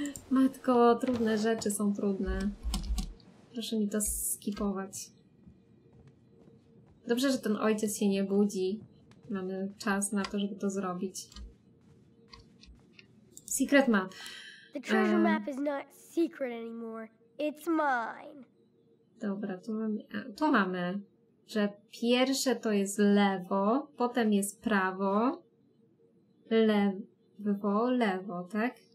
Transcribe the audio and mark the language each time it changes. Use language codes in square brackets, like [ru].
[pl] Matko, trudne rzeczy są trudne. Proszę mi to skipować. Dobrze, że ten ojciec się nie budzi. Mamy czas na to, żeby to zrobić. [en] Secret map. The treasure map is not secret anymore. It's mine. [pl] Dobra, tu mamy, że pierwsze to jest lewo, potem jest prawo, lewo, lewo, tak?